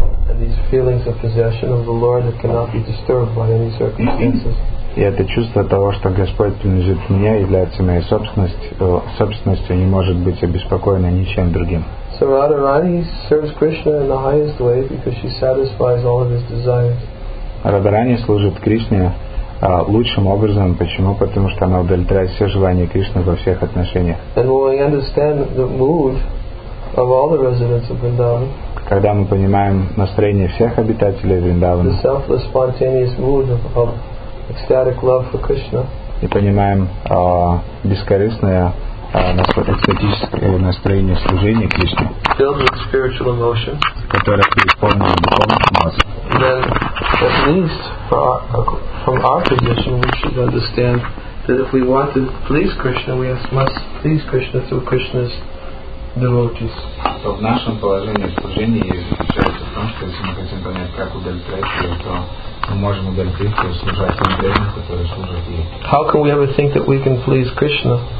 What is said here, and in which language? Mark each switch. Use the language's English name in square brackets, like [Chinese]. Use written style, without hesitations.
[English] And these feelings of possession of the Lord that cannot be disturbed by any circumstances. [Russian] И это чувство того, что Господь принадлежит мне, является моей собственностью, не может быть обеспокоено ничем другим. [English] So Radharani serves Krishna in the highest way because she satisfies all of his desires. [Russian] Радхарани служит Кришне лучшим образом. Почему? Потому что она удовлетворяет все желания Кришны во всех отношениях. [English] And when we understand the mood of all the residents of Vrindavan, [Russian] когда мы понимаем настроение всех обитателей Вриндавана, [English] the selfless, spontaneous mood of ecstatic love for Krishna. [Russian] И понимаем бескорыстное эстетическое настроение служения Кришне. [English] Filled with spiritual emotions. [Russian] Которое переполнено духовным эмоциям. [English] Then, at least from our position, we should understand that if we want to please Krishna, we must please Krishna through Krishna's devotees. [Russian] То в нашем положении служения заключается в том, что если мы хотим понять, как удовлетворить ее, то [English] how can we ever think that we can please Krishna?